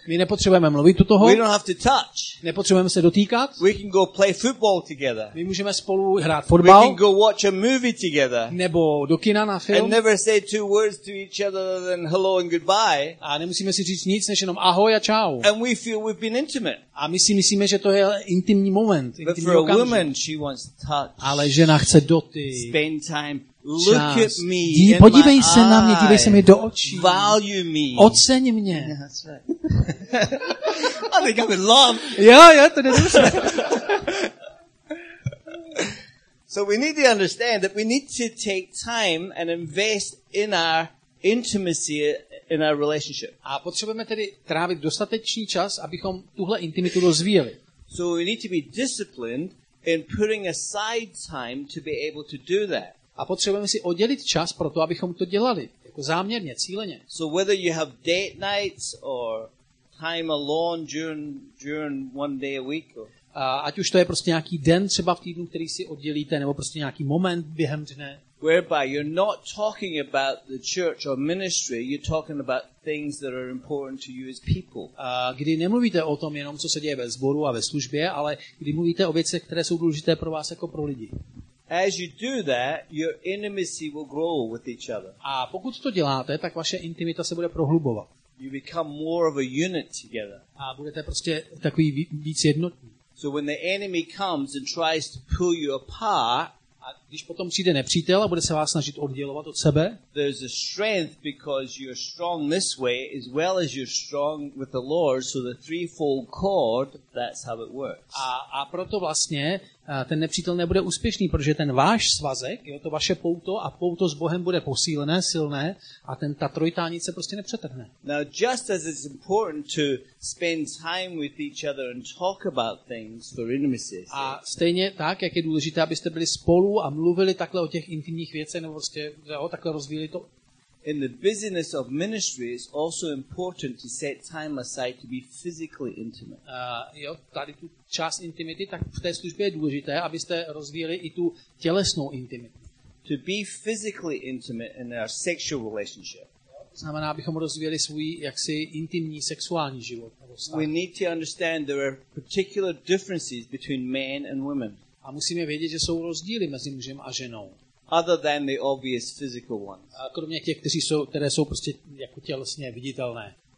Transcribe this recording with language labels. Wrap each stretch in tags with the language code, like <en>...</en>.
<cs>My nepotřebujeme mluvit u toho.</cs> <en>We don't have to touch.</en> <cs>Nepotřebujeme se dotýkat.</cs> <en>We can go play football together.</en> <cs>My můžeme spolu hrát fotbal.</cs> <en>We can go watch a movie together.</en> <cs>Nebo do kina na film.</cs> <en>And never say two words to each other than hello and goodbye.</en> <cs>A nemusíme si říct nic, než jenom ahoj a čau.</cs> <en>And we feel we've been intimate.</en> <cs>A my si myslíme, že to je intimní moment.</cs> <en>But for a woman, she wants touch.</en> <cs>Ale žena chce dotyk.</cs> <en>Spend time. Look at me.</en> <cs>Podívej se na mě, dívej se mi do očí.</cs> <en>Value me.</en> <cs>Oceň mě.</cs> <en>I think I'm in love.</en> <cs>Jo, to nedůležité.</cs> <en>So we need to understand that we need to take time and invest in our intimacy in our relationship.</en> <cs>A potřebujeme tedy trávit dostatečný čas, abychom tuhle intimitu rozvíjeli.</cs> <en>So we need to be disciplined in putting aside time to be able to do that.</en> <cs>A potřebujeme si oddělit čas pro to, abychom to dělali, jako záměrně, cíleně.</cs> <en>So whether you have date nights or time alone during one day a week. Or...</en> <cs>Ať už to je prostě nějaký den třeba v týdnu, který si oddělíte, nebo prostě nějaký moment během dne.</cs> <en>Whereby you're not talking about the church or ministry, you're talking about things that are important to you as people.</en> <cs>Kdy nemluvíte o tom jenom, co se děje ve sboru a ve službě, ale kdy mluvíte o věcech, které jsou důležité pro vás jako pro lidi.</cs> <en>As you do that, your intimacy will grow with each other.</en> <cs>A pokud to děláte, tak vaše intimita se bude prohlubovat.</cs> <en>You become more of a unit together.</en> <cs>A budete prostě takový víc jednotní.</cs> <en>So when the enemy comes and tries to pull you apart,</en> <cs>když potom přijde nepřítel a bude se vás snažit oddělovat od sebe,</cs> <en>there's a strength because you're strong this way as well as you're strong with the Lord, so the threefold cord, that's how it works.</en> <cs>A proto vlastně ten nepřítel nebude úspěšný, protože ten váš svazek, je to vaše pouto a pouto s Bohem bude posílené, silné a ten ta trojtánice prostě nepřetrhne.</cs> <en>Now just as it's important to spend time with each other and talk about things for intimacy.</en> <cs>A stejně tak, jak je důležité, abyste byli spolu a mluvili takhle o těch intimních věcech nebo prostě jo, takhle rozvíjeli to.</cs> <en>In the business of ministry, it's also important to set time aside to be physically intimate.</en> <cs>Jo, tady tu část intimity, tak v té službě je důležité, abyste rozvíjeli i tu tělesnou intimitu.</cs> <en>To be physically intimate in our sexual relationship.</en> <cs>Znamená, abychom rozvíjeli svůj jaksi intimní sexuální život.</cs> <en>We need to understand there are particular differences between men and women.</en> <cs>A musíme vědět, že jsou rozdíly mezi mužem a ženou.</cs> <en>Other than the obvious physical ones.</en> <cs>A kromě těch, které jsou prostě jako tělesně viditelné.</cs>